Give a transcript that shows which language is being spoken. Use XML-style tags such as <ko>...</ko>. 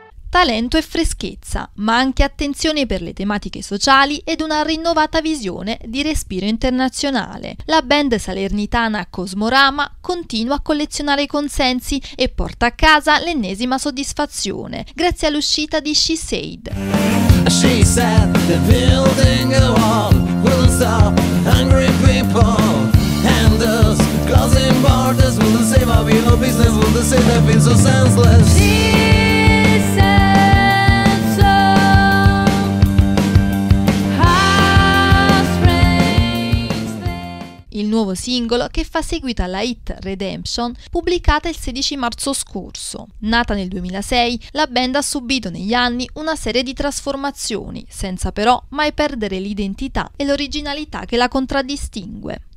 <it>Talento e freschezza, ma anche attenzione per le tematiche sociali ed una rinnovata visione di respiro internazionale. La band salernitana Cosmorama continua a collezionare consensi e porta a casa l'ennesima soddisfazione, grazie all'uscita di She Said.</it> <en>She said the building a wall will stop hungry people, and those closing borders will save our view of business, will save the being so senseless.</en> <it>She Il nuovo singolo, che fa seguito alla hit Redemption, pubblicata il 16 marzo scorso. Nata nel 2006, la band ha subito negli anni una serie di trasformazioni, senza però mai perdere l'identità e l'originalità che la contraddistingue.</it>